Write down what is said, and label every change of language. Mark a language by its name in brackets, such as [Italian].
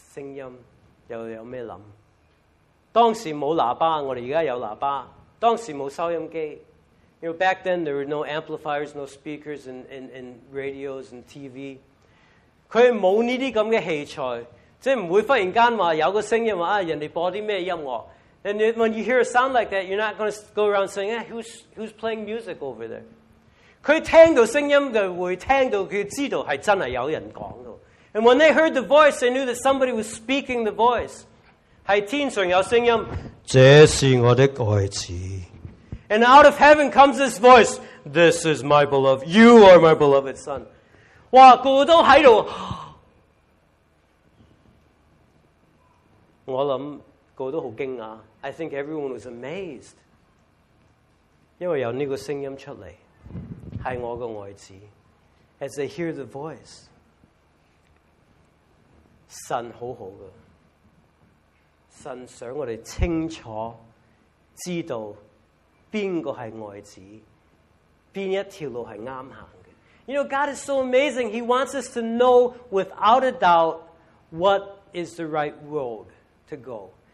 [Chinese] 我不知道當時的人聽到這個聲音又有什麼想.當時沒有喇叭,我們現在有喇叭。當時沒有收音機, [English] you know, back then there were no amplifiers, no speakers, and radios and TV. [Chinese] 他沒有這些器材,即是不會忽然間說有個聲音說人家播什麼音樂. [English] And when you hear a sound like that, you're not going to go around saying, who's playing music over there? [Chinese] 他聽到聲音的會聽到他知道是真的有人說的. [English] And when they heard the voice, they knew that somebody was speaking the voice. [Chinese] 在天上有聲音, 這是我的愛子. [English] And out of heaven comes this voice, this is my beloved, you are my beloved son. [Chinese] 哇,每個人都在這裡, 我想每個人都很驚訝, [English] I think everyone was amazed. [Chinese] 因為有這個聲音出來, 是我的愛子, [English] as they hear the voice, [Chinese] 神很好的, 神想我們清楚知道, 哪個是愛子, [English] you know, God is so amazing. He wants us to know without a doubt what is the right road to go.